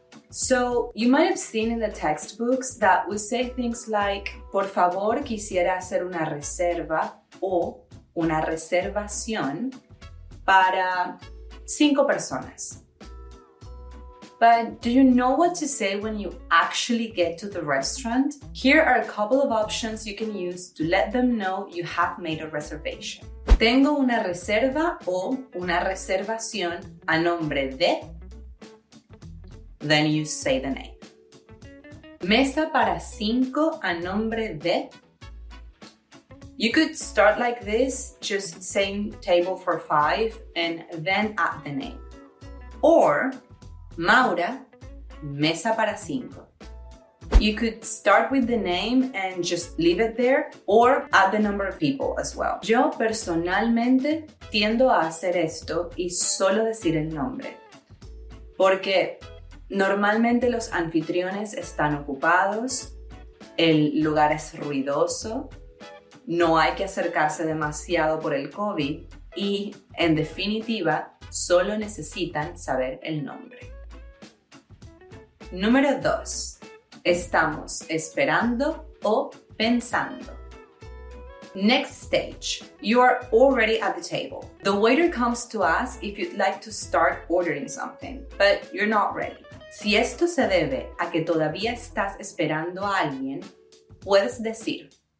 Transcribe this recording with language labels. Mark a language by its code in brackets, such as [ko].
[en] So, you might have seen in the textbooks that we say things like por favor quisiera hacer una reserva o una reservación para cinco personas. But do you know what to say when you actually get to the restaurant? Here are a couple of options you can use to let them know you have made a reservation. [es] Tengo una reserva o una reservación a nombre de. Then you say the name. Mesa para cinco a nombre de. [en] You could start like this, just saying table for five and then add the name. [es] Or, Maura, mesa para cinco. [en] You could start with the name and just leave it there or add the number of people as well. [es] Yo personalmente tiendo a hacer esto y solo decir el nombre. Porque normalmente los anfitriones están ocupados, el lugar es ruidoso, no hay que acercarse demasiado por el COVID y, en definitiva, solo necesitan saber el nombre. Número 2. Estamos esperando o pensando. [en] Next stage. You are already at the table. The waiter comes to ask if you'd like to start ordering something, but you're not ready. [es] Si esto se debe a que todavía estás esperando a alguien, puedes decir: